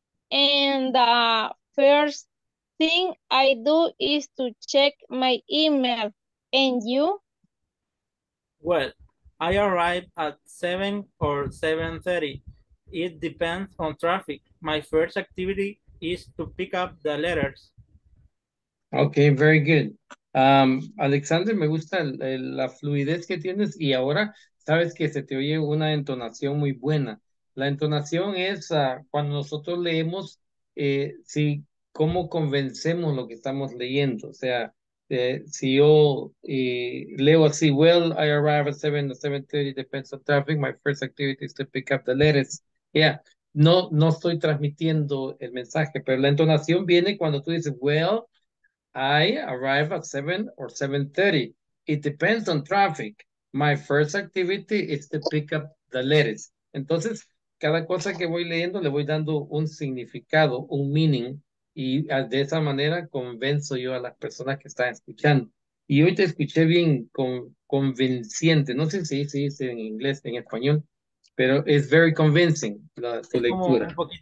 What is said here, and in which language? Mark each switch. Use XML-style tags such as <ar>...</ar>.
<en>and the first thing I do is to check my email. And you? Well, I arrive at 7 or 7:30. It depends on traffic. My first activity is to pick up the letters. Okay, very good.</en> <es>Alexander, me gusta la fluidez que tienes y ahora sabes que se te oye una entonación muy buena. La entonación es cuando nosotros leemos, si, cómo convencemos lo que estamos leyendo. O sea, si yo leo así,</es> <en>well, I arrive at 7 or 7:30, depends on traffic, my first activity is to pick up the letters. Yeah.</en> <es>No, no estoy transmitiendo el mensaje, pero la entonación viene cuando tú dices,</es> <en>well, I arrive at 7 or 7:30. It depends on traffic. My first activity is to pick up the letters.</en> <es>Entonces, cada cosa que voy leyendo le voy dando un significado, un meaning, y de esa manera convenzo yo a las personas que están escuchando. Y hoy te escuché bien convenciente. No sé si se dice en inglés, en español. Pero es</es> <en>very convincing</en> <es>la tu lectura.</es>